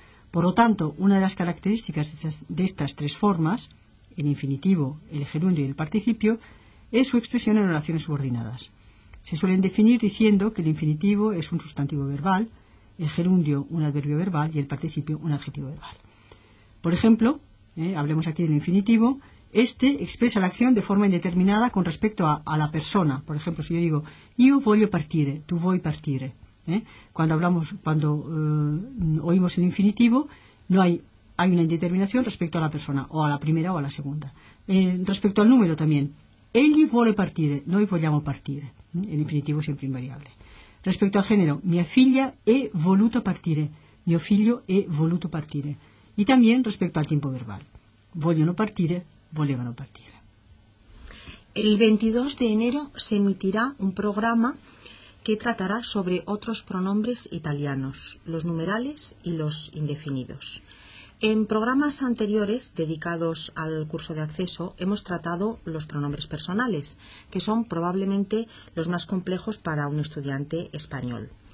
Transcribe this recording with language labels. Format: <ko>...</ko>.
<es>Por lo tanto, una de las características de estas 3 formas, el infinitivo, el gerundio y el participio, es su expresión en oraciones subordinadas. Se suelen definir diciendo que el infinitivo es un sustantivo verbal, el gerundio un adverbio verbal y el participio un adjetivo verbal. Por ejemplo, hablemos aquí del infinitivo, este expresa la acción de forma indeterminada con respecto a la persona. Por ejemplo, si yo digo,</es> <it>io voglio partire, tu vuoi partire.</it> <es>Cuando oímos el infinitivo, no hay una indeterminación respecto a la persona, o a la primera o a la segunda. Respecto al número también,</es> <it>egli vuole partire, noi vogliamo partire.</it> <es>El infinitivo siempre invariable. Respecto al género,</es> <it>mia figlia è voluto partire,</it> <es>mio figlio è voluto partire. Y también respecto al tiempo verbal,</es> <it>vogliono partire, volevano partire.</it> <es>El 22 de enero se emitirá un programa que tratará sobre otros pronombres italianos, los numerales y los indefinidos. En programas anteriores dedicados al curso de acceso hemos tratado los pronombres personales, que son probablemente los más complejos para un estudiante español.</es>